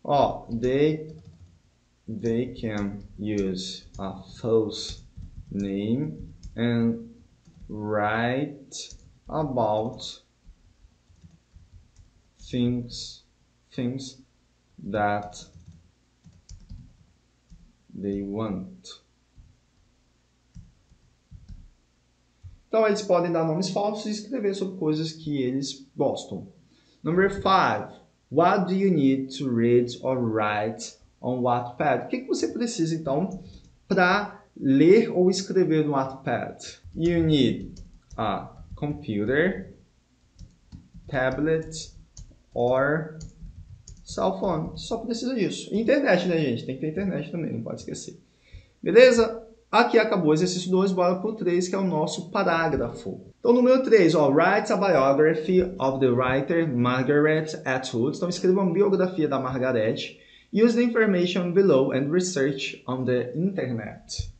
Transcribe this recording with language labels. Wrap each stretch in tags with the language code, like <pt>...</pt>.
<en>Oh, they can use a false name and write about things that they want.</en> <pt>Então, eles podem dar nomes falsos e escrever sobre coisas que eles gostam.</pt> <en>Number 5. What do you need to read or write on Wattpad?</en> <pt>O que você precisa, então, para ler ou escrever no Wattpad?</pt> <en>You need a computer, tablet or cell phone.</en> <pt>Só precisa disso. Internet, né, gente? Tem que ter internet também, não pode esquecer. Beleza? Aqui acabou o exercício 2, bora para o 3, que é o nosso parágrafo. Então, número 3, ó,</pt> <en>write a biography of the writer Margaret Atwood.</en> <pt>Então, escreva uma biografia da Margaret.</pt> <en>Use the information below and research on the internet.</en>